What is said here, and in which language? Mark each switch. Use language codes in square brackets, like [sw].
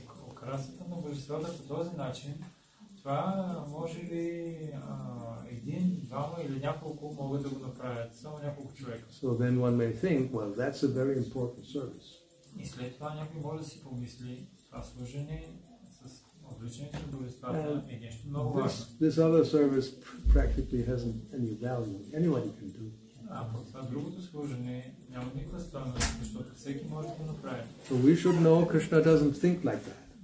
[bg] Окрасата на божествата по този начин, това може ли един, двама или няколко могат да го направят, само няколко човека. [en] So then one may think, well, that's a very important service. [bg] И след това някой може да си помисли, това служение с отличението на божествата е нещо много важно. [en] This other service practically hasn't any value. Anyone can do. [bg] А по другото служение няма никаква стойност, защото всеки може да го направи. [en] So we should know Krishna doesn't think like that.